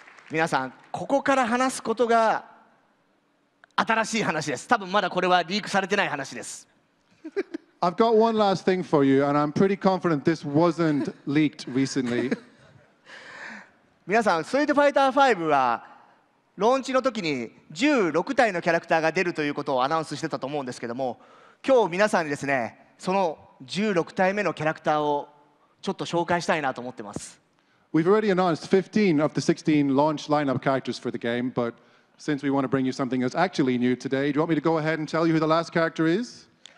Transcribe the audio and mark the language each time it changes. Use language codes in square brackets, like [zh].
[ja] 皆さんここから話すことが新しい話です。多分まだこれはリークされてない話です。 [en] I've got one last thing for you, and I'm pretty confident this wasn't leaked recently. [ja] 皆さん、ストリートファイター5はローンチの時に16体のキャラクターが出るということをアナウンスしてたと思うんですけども、今日皆さんにですね、その16体目のキャラクターをちょっと紹介したいなと思ってます。 [en] We've already announced 15 of the 16 launch lineup characters for the game, but since we want to bring you something that's actually new today, do you want me to go ahead and tell you who the last character is?